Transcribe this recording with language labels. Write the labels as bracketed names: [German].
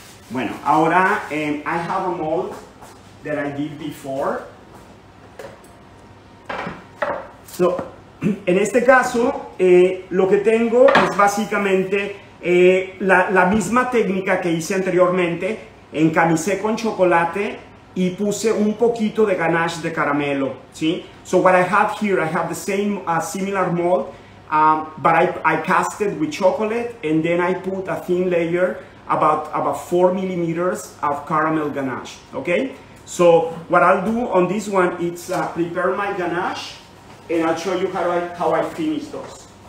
[Spanish] Bueno, ahora [English] I have a mold that I did before. [Spanish] So, en este caso, lo que tengo es básicamente la misma técnica que hice anteriormente. Encamisé con chocolate y puse un poquito de ganache de caramelo, ¿sí? [English] So, what I have here, I have the same, similar mold. But I casted with chocolate, and then I put a thin layer, about 4 millimeters of caramel ganache, okay? So what I'll do on this one, it's prepare my ganache, and I'll show you how I finish those.